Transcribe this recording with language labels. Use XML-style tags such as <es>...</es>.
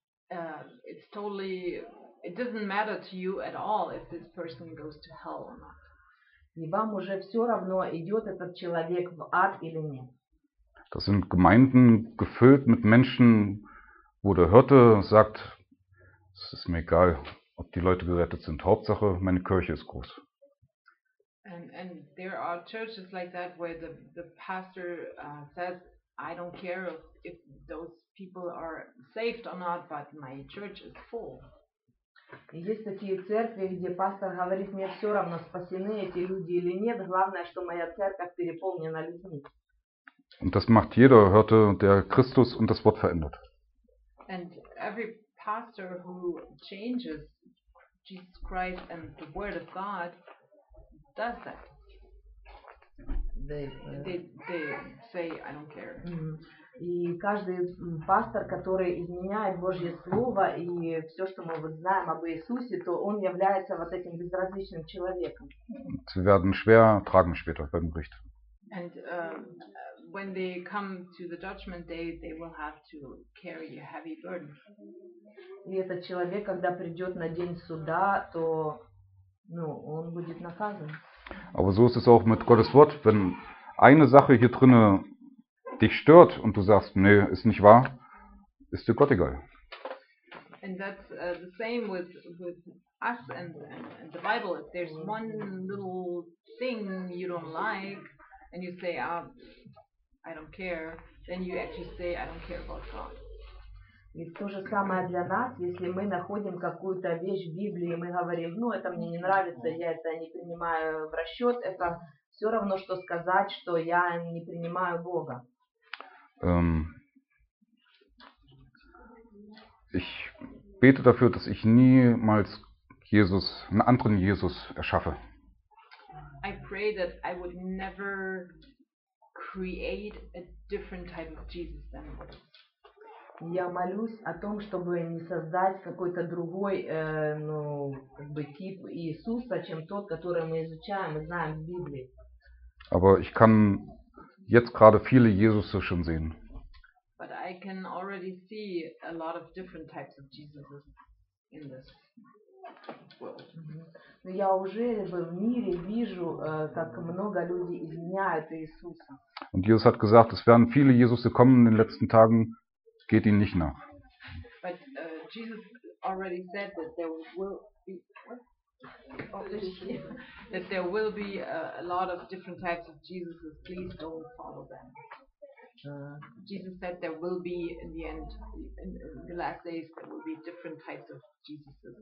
<en>If it's totally, it doesn't matter to you at all if this person goes to hell or not.</en> <ru>И вам уже все равно, идет этот человек в ад или нет.</ru> <de>Das sind Gemeinden gefüllt mit Menschen, wo der Hirte sagt, es ist mir egal, ob die Leute gerettet sind. Hauptsache, meine Kirche ist groß.</de> <en>And there are churches like that, where the pastor says, I don't care if those people are saved or not, but my church is full.</en> <ru>Есть такие церкви, где пастор говорит, мне все равно, спасены эти люди или нет, главное, что моя церковь переполнена людьми.</ru> <de>Und das macht jeder, hörte der Christus und das Wort verändert.</de> <en>And every pastor who changes Jesus Christ and the Word of God does that. They say, I don't care.</en> <ru>И каждый пастор, который изменяет Божье Слово и все, что мы вот знаем об Иисусе, то он является вот этим безразличным человеком.</ru> <de>Sie werden schwer tragen später beim Gericht.</de> <en>And when they come to the judgment day, they will have to carry a heavy burden.</en> <ru>И этот человек, когда придет на день суда, то ну, он будет наказан.</ru> <de>Aber so ist es auch mit Gottes Wort. Wenn eine Sache hier drinne dich stört und du sagst, nee, ist nicht wahr, ist dir Gott egal.</de> <en>And that's the same with us and the Bible. If there's one little thing you don't like and you say, I don't care, then you actually say, I don't care about God.</en> <ru>И то же самое для нас, если мы находим какую-то вещь в Библии, мы говорим, ну, это мне не нравится, я это не принимаю в расчет, это все равно, что сказать, что я не принимаю Бога.</ru> <de>Ich bete dafür, dass ich niemals Jesus, einen anderen Jesus erschaffe.</de> <en>I pray that I would never create a different type of Jesus than what.</en> <ru>Я молюсь о том, чтобы не создать какой-то другой, ну, как бы тип Иисуса, чем тот, который мы изучаем и знаем в Библии.</ru> <de>Aber ich kann jetzt gerade viele Jesusse schon sehen.</de> <en>But I can already see a lot of different types of Jesus in this world.</en> <ru>Я уже в мире вижу, как много людей изменяют Иисуса.</ru> <de>Und Jesus hat gesagt, es werden viele Jesusse kommen in den letzten Tagen. Geht ihnen nicht nach.</de> <en>But Jesus already said that there will be that there will be a lot of different types of Jesus. Please don't follow them. Jesus said there will be in the end, in the last days, there will be different types of Jesus.</en>